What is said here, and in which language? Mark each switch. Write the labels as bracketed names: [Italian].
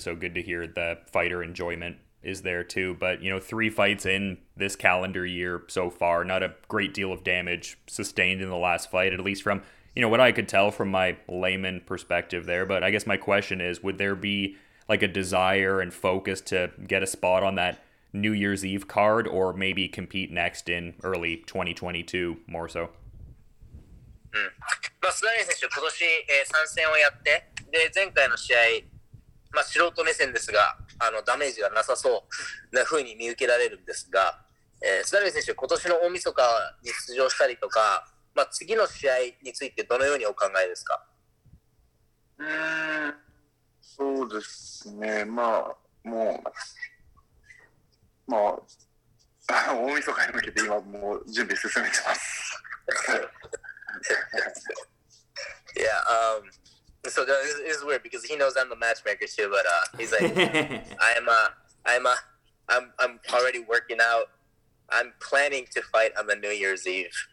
[English] So good to hear the fighter enjoyment is there too. But, you know, three fights in this calendar year so far, not a great deal of damage sustained in the last fight, at least from, you know, what I could tell from my layman perspective there. But I guess my question is, would there be like a desire and focus to get a spot on that New Year's Eve card or maybe compete next in early 2022 more so? [Japanese] まあ、スダリオ選手今年、参戦をやって、で、前回の試合、まあ、素人目線ですが、あの、ダメージがなさそうな風に見受けられるんですが、スダリオ選手今年の大晦日に出場したりとか、まあ、次の試合についてどのようにお考えですか？そうですね、まあ、もう、まあ、大晦日に向けて今、もう準備進めてます。 [English] Yeah, so this is weird because he knows I'm the matchmaker too, but he's like, I'm already working out. I'm planning to fight on the New Year's Eve.